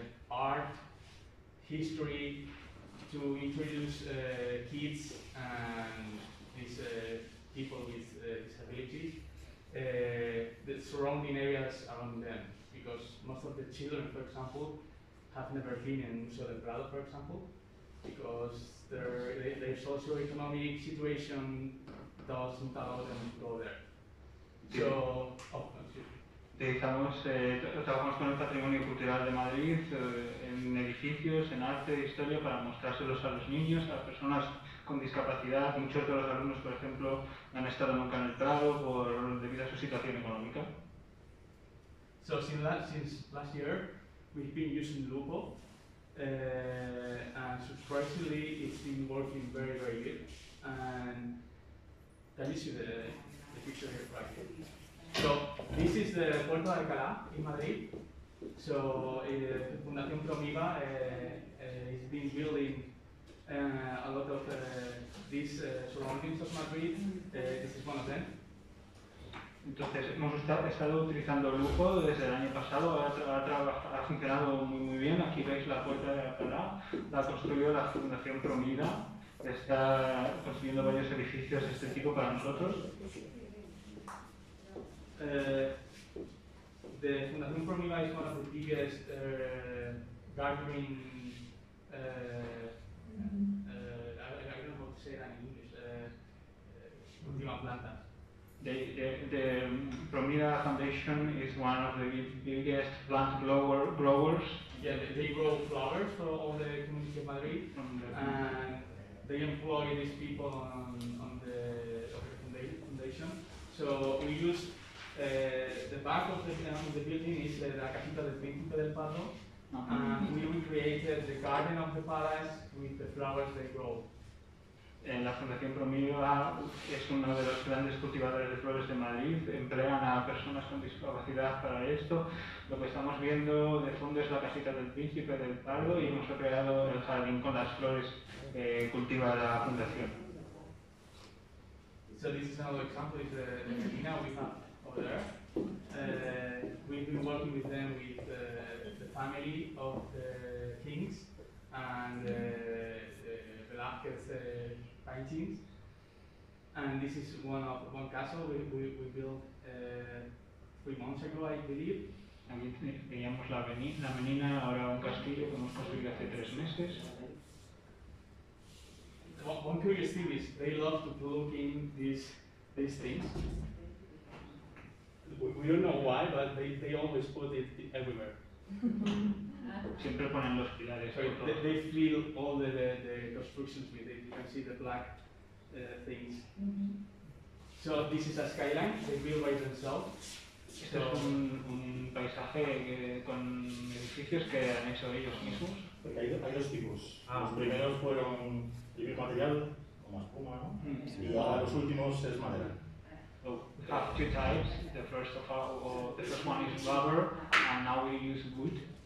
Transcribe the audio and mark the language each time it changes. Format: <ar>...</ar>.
<en>art, history to introduce kids and these people with disabilities, the surrounding areas around them, because most of the children, for example, have never been in Museo del Prado, for example, because their socioeconomic situation doesn't allow them to go there.</en> <es>Sí.</es> <en>So,</en> <es>trabajamos con el patrimonio cultural de Madrid, en edificios, en arte, historia, para mostrárselos a los niños, a personas con discapacidad. Muchos de los alumnos, por ejemplo, no han estado nunca en el Prado debido a su situación económica.</es> <en>So since last year, we've been using Lupo, and surprisingly, it's been working very, very good. And let me see the picture here, right? So this is the Puerto de Alcalá in Madrid. So Fundación Promiva has been building a lot of these surroundings of Madrid. This is one of them.</en> <es>Entonces, hemos estado utilizando Lupo desde el año pasado, ha funcionado muy muy bien. Aquí veis la Puerta de Alcalá, la construyó la Fundación Promida, está construyendo varios edificios de este tipo para nosotros.</es> <en>The Fundación Promida is one of the biggest gathering, I don't know how to say that in English,</en> <es>última planta.</es> <en>The Promida Foundation is one of the biggest plant growers. Yeah, they grow flowers for all the community of Madrid, and they employ these people on the foundation. So we use the back of the building is La Casita del Príncipe del Pardo, and we recreated the garden of the palace with the flowers they grow.</en> <es>En la Fundación Promiva es uno de los grandes cultivadores de flores de Madrid. Emplean a personas con discapacidad para esto. Lo que estamos viendo de fondo es la casita del Príncipe del Pardo y hemos creado el jardín con las flores que cultiva la Fundación.</es> <en>So this is another example, it's the Medina we have over there. We've been working with them with family of the kings and Velázquez paintings. And this is one castle we built 3 months ago, I believe.</en> <es>También teníamos la menina, ahora un castillo que hemos construido hace 3 meses.</es> <en>One curious thing is they love to plug in these things. We don't know why, but they always put it everywhere.</en> <es>Siempre ponen los pilares.</es> <en>They fill all the constructions with it. You can see the black things. Mm-hmm. So this is a skyline they build by themselves.</en> <es>Este es un paisaje con edificios que han hecho ellos mismos. Hay dos tipos. Los primeros fueron tipo material, como espuma, ¿no? Sí. Y ahora los últimos es madera.</es> <en>We have two types. The first one is rubber, and now we use wood.</en>